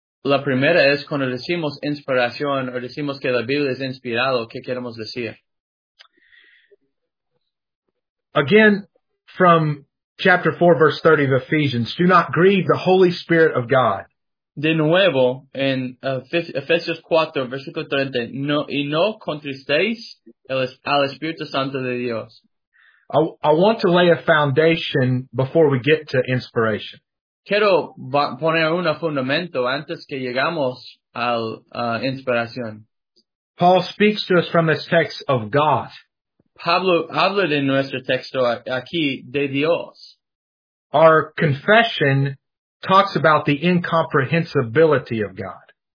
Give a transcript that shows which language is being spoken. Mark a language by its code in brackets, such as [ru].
[es] La primera es cuando decimos inspiración o decimos que la Biblia es inspirado, ¿qué queremos decir? [en] Again, from chapter 4, verse 30 of Ephesians, do not grieve the Holy Spirit of God. [es] De nuevo, en Efesios 4, versículo 30, no, y no contristéis al Espíritu Santo de Dios. [en] I want to lay a foundation before we get to inspiration. [es] Quiero poner un fundamento antes que llegamos a la inspiración. [en] Paul speaks to us from this text of God. [es] Pablo habla de nuestro texto aquí de Dios. [en] Our confession talks about the incomprehensibility of God.